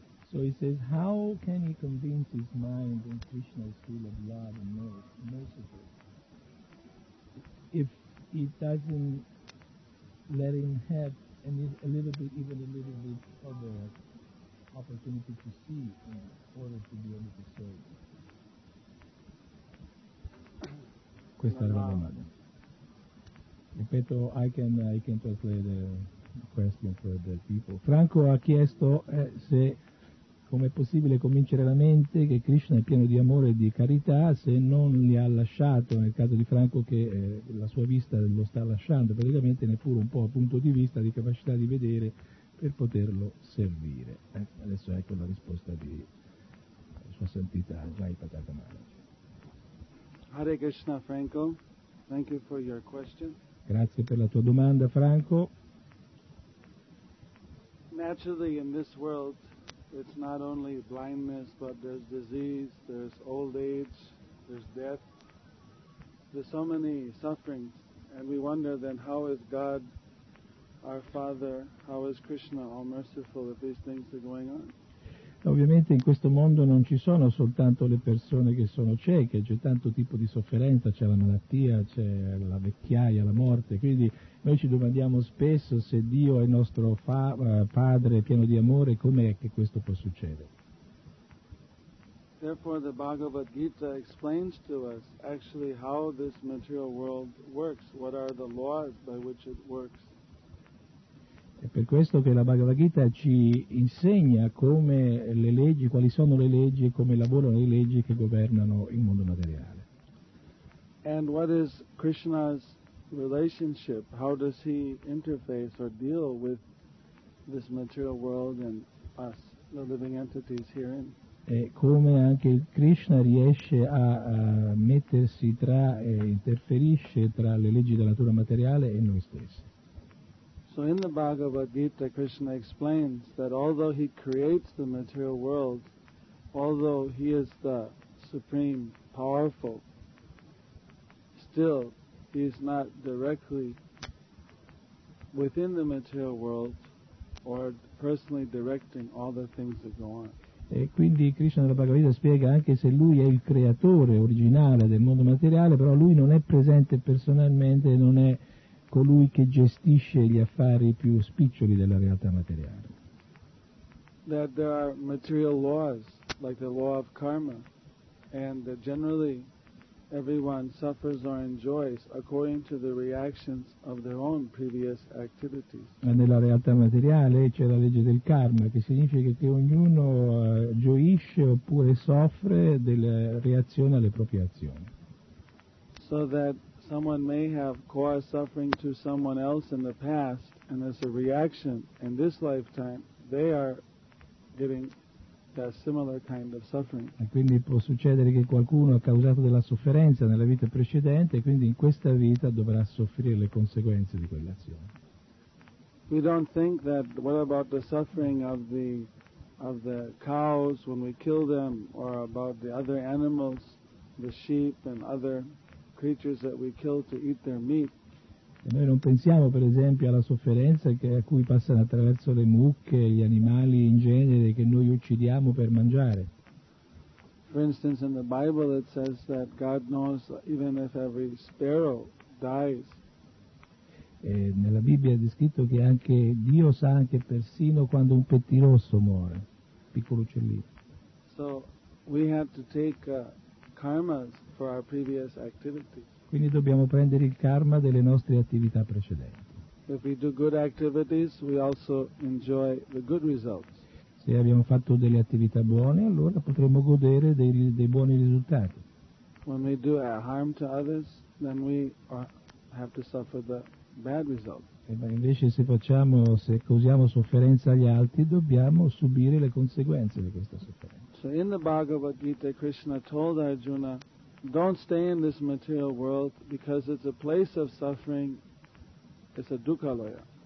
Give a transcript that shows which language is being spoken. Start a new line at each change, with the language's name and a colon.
English: So he says, how can he convince his mind in Krishna's field of love and merciful if he doesn't let him have a little bit of the opportunity to see in order to be able to serve?
Italian: Questa è la domanda. Ripeto,
English: I can translate the question for the people.
Italian: Franco ha chiesto se com'è possibile convincere la mente che Krishna è pieno di amore e di carità se non li ha lasciato, nel caso di Franco che la sua vista lo sta lasciando, praticamente neppure un po' a punto di vista, di capacità di vedere per poterlo servire. Adesso ecco la risposta di Sua Santità Jai Pratak Maharaj.
English: Hare Krishna, Franco. Thank you for your question.
Italian: Grazie per la tua domanda, Franco.
English: Naturally in this world it's not only blindness, but there's disease, there's old age, there's death. There's so many sufferings, and we wonder then how is God, our Father, how is Krishna all merciful if these things are going on?
Italian: Ovviamente in questo mondo non ci sono soltanto le persone che sono cieche, c'è tanto tipo di sofferenza, c'è la malattia, c'è la vecchiaia, la morte, quindi noi ci domandiamo spesso se Dio è nostro padre pieno di amore, com'è che questo può succedere?
English: Therefore the Bhagavad Gita explains to us actually how this material world works, what are the laws by which it works.
Italian: È per questo che la Bhagavad Gita ci insegna come le leggi, quali sono le leggi e come lavorano le leggi che governano il mondo materiale.
English: And what is Krishna's relationship? How does he interface or deal with this material world and us, the living entities herein?
Italian: E come anche Krishna riesce a mettersi tra e interferisce tra le leggi della natura materiale e noi stessi.
English: So in the Bhagavad Gita, Krishna explains that although he creates the material world, although he is the supreme, powerful, still he is not directly within the material world or personally directing all the things that go on.
Italian: E quindi Krishna nella Bhagavad Gita spiega anche se lui è il creatore originale del mondo materiale, però lui non è presente personalmente, non è colui che gestisce gli affari più spiccioli della realtà materiale.
English: That there are material laws, like the law of karma, and that generally everyone suffers or enjoys according to the reactions of their own previous activities.
Italian: Ma nella realtà materiale c'è la legge del karma, che significa che ognuno gioisce oppure soffre delle reazioni alle proprie azioni.
English: So that someone may have caused suffering to someone else in the past, and as a reaction in this lifetime, they are giving that similar kind of suffering.
Italian: E quindi può succedere che qualcuno ha causato della sofferenza nella vita precedente, e quindi in questa vita dovrà soffrire le conseguenze di quell'azione.
English: We don't think that what about the suffering of the cows when we kill them, or about the other animals, the sheep and other creatures that we kill to eat their meat.
Italian: E noi non pensiamo per esempio alla sofferenza che a cui passano attraverso le mucche, gli animali in genere che noi uccidiamo per mangiare.
English: For instance, in the Bible it says that God knows even if every sparrow dies.
Italian: E nella Bibbia è scritto che anche Dio sa anche persino quando un pettirosso muore, piccolo uccellino.
English: So we have to take karmas for our previous activities.
Italian: Quindi dobbiamo prendere il karma delle nostre attività precedenti.
English: If we do good activities, we also enjoy the good results.
Italian: Se abbiamo fatto delle attività buone, allora potremo godere dei buoni risultati.
English: When we do harm to others, then we have to suffer the bad results.
Italian: Ma invece se causiamo sofferenza agli altri, dobbiamo subire le conseguenze di questa sofferenza.
English: So in the Bhagavad Gita, Krishna told Arjuna, don't stay in this material world because it's a place of suffering, it's a dukkhaloya.